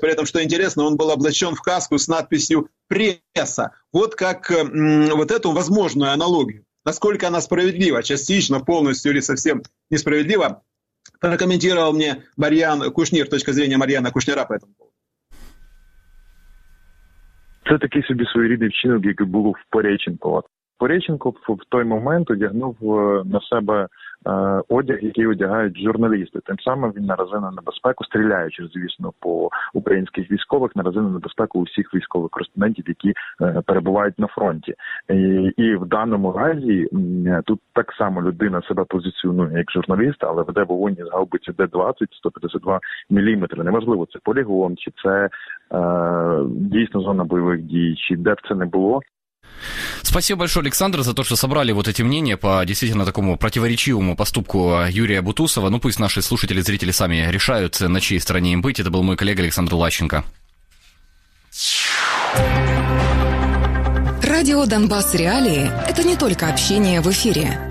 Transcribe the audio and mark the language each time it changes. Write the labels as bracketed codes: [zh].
[ru] При этом, что интересно, он был облачен в каску с надписью «Пресса». Вот как вот эту возможную аналогию. Насколько она справедлива, частично, полностью или совсем несправедлива, прокомментировал мне Марьян Кушнір, точка зрения Марьяна Кушняра по этому поводу. [uk] Це такий собі своєрідний вчинок, який був в Пореченкова. Пореченков в той момент одягнув на себе одяг, який одягають журналісти. Тим самим він наразив на небезпеку, стріляючи, звісно, по українських військових, наразив на небезпеку усіх військових кореспондентів, які перебувають на фронті. І в даному разі тут так само людина себе позиціонує як журналіст, але веде вогонь із гаубиці Д-20, 152 міліметри. Неважливо, це полігон, чи це дійсно зона бойових дій, чи де б це не було. [ru] Спасибо большое, Александр, за то, что собрали вот эти мнения по действительно такому противоречивому поступку Юрия Бутусова. Ну, пусть наши слушатели, зрители сами решают, на чьей стороне им быть. Это был мой коллега Александр Лащенко. Радио «Донбасс Реалии» – это не только общение в эфире.